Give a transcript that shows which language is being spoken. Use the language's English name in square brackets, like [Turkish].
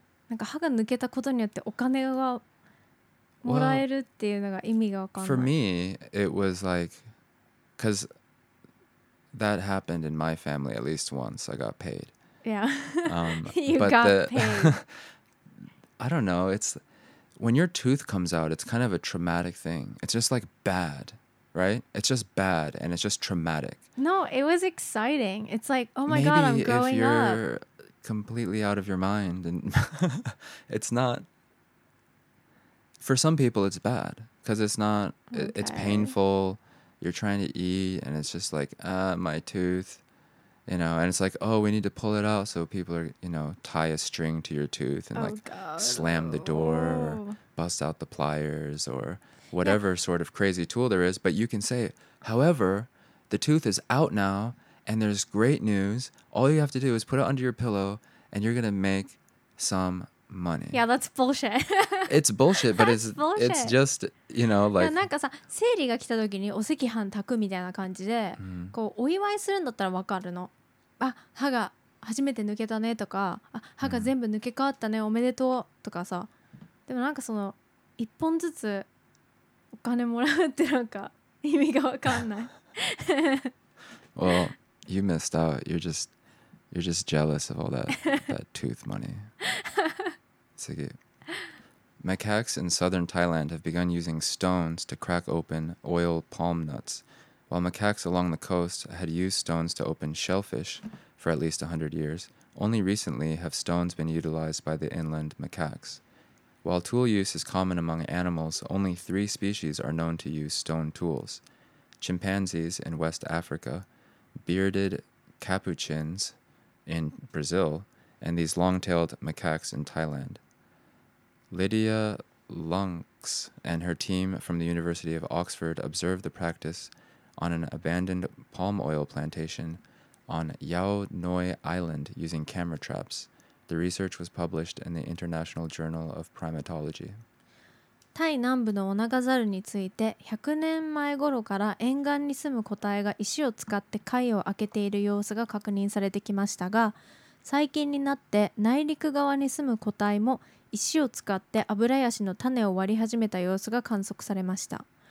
[Japanese] なんか歯が抜けたことによってお金がもらえるっていうのが意味がわかんない。 [English] For me, it was like... Because that happened in my family at least once. I got paid. Yeah. you got paid. I don't know. It's when your tooth comes out, it's kind of a traumatic thing. It's just like bad, right? It's just bad and it's just traumatic. No, it was exciting. It's like, oh my Maybe God, I'm growing up. Maybe if you're completely out of your mind and it's not. For some people, it's bad because it's not. Okay. It's painful. You're trying to eat and it's just like, my tooth, you know, and it's like, oh, we need to pull it out. So people are, you know, tie a string to your tooth and oh, like God. Slam the door, oh. or bust out the pliers or whatever yeah. sort of crazy tool there is. But you can say, however, the tooth is out now and there's great news. All you have to do is put it under your pillow and you're going to make some money. Yeah, that's bullshit. It's bullshit, but bullshit. It's just, you know, like... [Japanese] なんかさ、生理が来た時にお赤飯炊くみたいな感じで、こう、お祝いするんだったらわかるの。あ、歯が初めて抜けたねとか、あ、歯が全部抜け替わったね、おめでとうとかさ。でもなんかその、一本ずつお金もらうってなんか意味がわかんない。 [English] Well, you missed out. You're just jealous of all that tooth money. [Japanese] 次。 [English] Macaques in southern Thailand have begun using stones to crack open oil palm nuts, while macaques along the coast had used stones to open shellfish for at least 100 years. Only recently have stones been utilized by the inland macaques. While tool use is common among animals, only three species are known to use stone tools. Chimpanzees in West Africa, bearded capuchins in Brazil, and these long-tailed macaques in Thailand. Lydia Lunks and her team from the University of Oxford observed the practice on an abandoned palm oil plantation on Yao Noi Island using camera traps. The research was published in the International Journal of Primatology. [Japanese] タイ南部のオナガザルについて、100年前頃から沿岸に住む個体が石を使って貝を開けている様子が確認されてきましたが、最近になって内陸側に住む個体も石を使ってアブラヤシの種を割り始めた様子が観測されました。